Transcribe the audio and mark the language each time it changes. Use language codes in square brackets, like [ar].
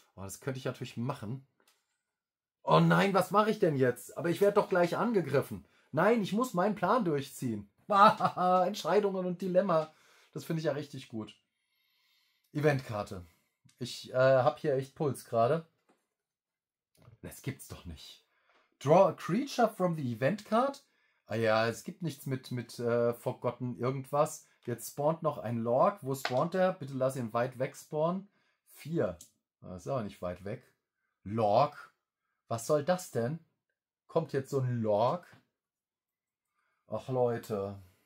[de] Oh, das könnte ich natürlich machen. Oh nein, was mache ich denn jetzt? Aber ich werde doch gleich angegriffen. Nein, ich muss meinen Plan durchziehen. Entscheidungen und Dilemma. Das finde ich ja richtig gut. Eventkarte. Ich habe hier echt Puls gerade. Das gibt's doch nicht. [en] Draw a creature from the event card? [de] Ah ja, es gibt nichts mit Forgotten irgendwas. Jetzt spawnt noch ein Lorg. Wo spawnt er? Bitte lass ihn weit weg spawnen. 4. Das ist aber nicht weit weg. Lorg? Was soll das denn? Kommt jetzt so ein Lorg? Ach Leute.